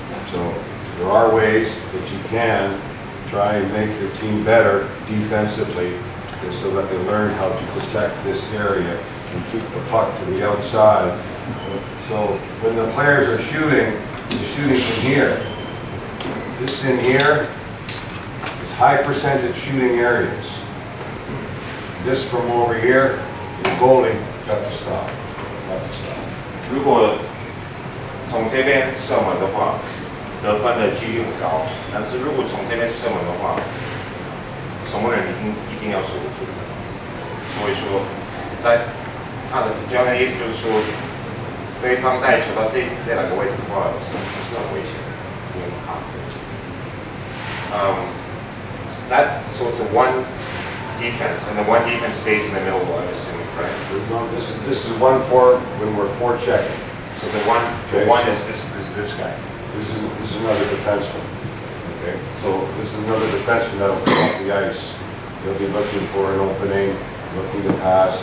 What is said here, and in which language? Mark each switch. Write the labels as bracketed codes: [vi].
[en] So there are ways that you can try and make your team better defensively so that they learn how to protect this area and keep the puck to the outside. So when the players are shooting, they're shooting from here. This in here is high percentage shooting areas. This from over here, the goalie got to stop. Got to stop. [zh] 如果从这边射门的话, 得分的几率很高，但是如果从这边射门的话，守门人一定要守住。所以说，在他的教练意思就是说，对方带球到这两个位置的话，是很危险，很怕。 [en] That's one defense, and the one defense stays in the middle of the assuming, right? No, this is one for when we're fore-checking. So the one is this guy. This is another defenseman. Okay. So this is another defenseman that'll come off the ice. He'll be looking for an opening, looking to pass.